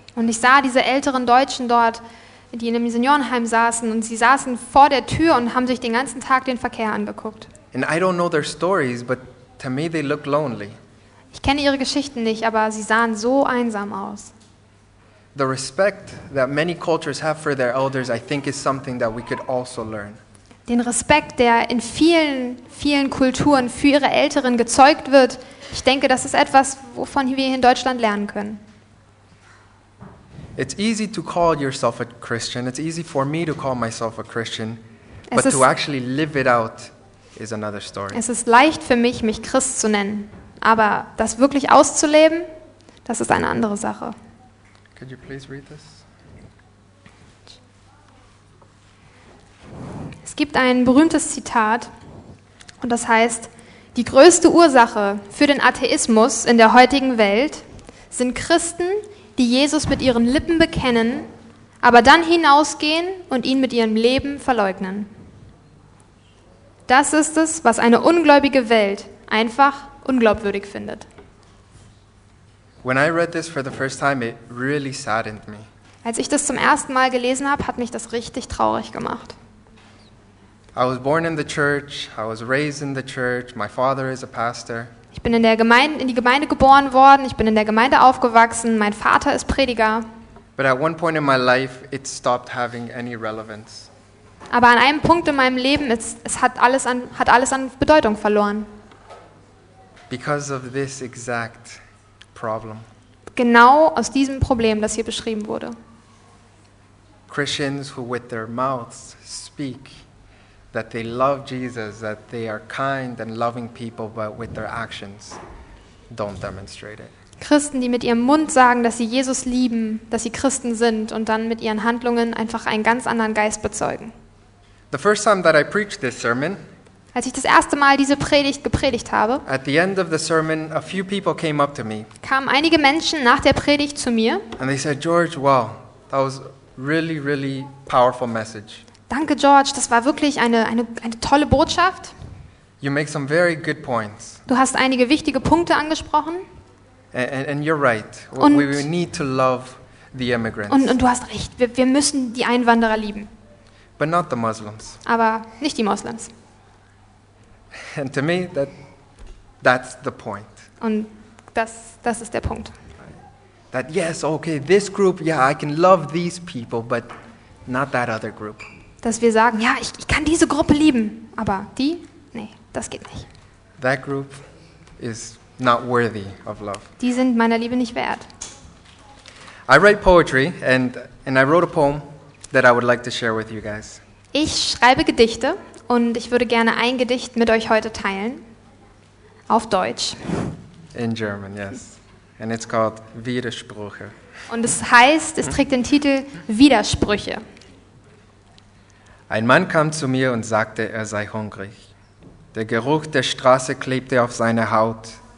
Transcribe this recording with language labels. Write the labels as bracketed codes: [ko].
[de] Und ich sah diese älteren Deutschen dort, die in einem Seniorenheim saßen, und sie saßen vor der Tür und haben sich den ganzen Tag den Verkehr angeguckt. [en] And I don't know their stories, but to me they looked lonely. [de] Ich kenne ihre Geschichten nicht, aber sie sahen so einsam aus. [en] The respect that many cultures have for their elders, I think, is something that we could also learn. [de] Den Respekt, der in vielen, vielen Kulturen für ihre Älteren gezeugt wird, ich denke, das ist etwas, wovon wir in Deutschland lernen können. [en] It's easy to call yourself a Christian. It's easy for me to call myself a Christian, but to actually live it out is another story. [de] Es ist leicht für mich, mich Christ zu nennen, aber das wirklich auszuleben, das ist eine andere Sache. [en] Could you please read this? [de] Es gibt ein berühmtes Zitat, und das heißt: Die größte Ursache für den Atheismus in der heutigen Welt sind Christen, die Jesus mit ihren Lippen bekennen, aber dann hinausgehen und ihn mit ihrem Leben verleugnen. Das ist es, was eine ungläubige Welt einfach unglaubwürdig findet. [en] When I read this for the first time, it really saddened me. [de] Als ich das zum ersten Mal gelesen habe, hat mich das richtig traurig gemacht. [en] I was born in the church, I was raised in the church, my father is a pastor. [de] Ich bin in die Gemeinde geboren worden, ich bin in der Gemeinde aufgewachsen, mein Vater ist Prediger. [en] But at one point in my life, it stopped having any relevance. [de] Aber an einem Punkt in meinem Leben, es hat alles an Bedeutung verloren. [en] Because of this exact problem. [de] Genau aus diesem Problem, das hier beschrieben wurde. [en] Christians who with their mouths speak that they love Jesus, that they are kind and loving people, but with their actions don't demonstrate it. [de] Christen, die mit ihrem Mund sagen, dass sie Jesus lieben, dass sie Christen sind, und dann mit ihren Handlungen einfach einen ganz anderen Geist bezeugen. [en] The first time that I preached this sermon, [de] als ich das erste Mal diese Predigt gepredigt habe, [en] at the end of the sermon, a few people came up to me. [de] Kamen einige Menschen nach der Predigt zu mir. [en] And they said, George, wow, that was a really, really powerful message. [de] Danke, George, das war wirklich eine tolle Botschaft. [en] You make some very good points. [de] Du hast einige wichtige Punkte angesprochen. [en] And you're right. We need to love the immigrants. [de] Und du hast recht, wir müssen die Einwanderer lieben. [en] But not the Muslims. [de] Aber nicht die Moslems. [en] And to me, that's the point. [de] Und das ist der Punkt. [en] That yes, okay, this group, yeah, I can love these people, but not that other group. [de] Dass wir sagen, ja, ich kann diese Gruppe lieben, aber die? Nee, das geht nicht. [en] That group is not worthy of love. [de] Die sind meiner Liebe nicht wert. [en] I write poetry and I wrote a poem that I would like to share with you guys. [de] Ich schreibe Gedichte und ich würde gerne ein Gedicht mit euch heute teilen. Auf Deutsch. [en] In German, yes. And it's called Widersprüche. [de] Und es heißt, es trägt den Titel Widersprüche. Ein Mann kam zu mir und sagte, er sei hungrig. Der Geruch der Straße klebte auf seine Haut.